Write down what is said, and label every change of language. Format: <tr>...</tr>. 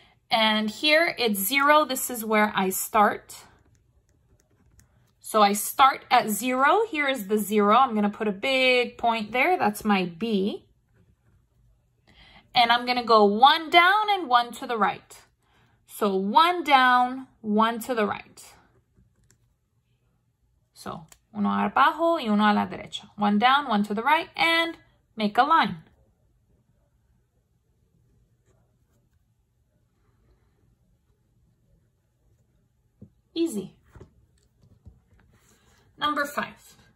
<en>And here it's 0. This is where I start. So I start at 0. Here is the 0. I'm going to put a big point there. That's my B. And I'm going to go 1 down and 1 to the right. So 1 down, 1 to the right.</en> <es>So, uno abajo y uno a la derecha.</es> <en>1 down, 1 to the right, and make a line. Easy. Number 5.</en>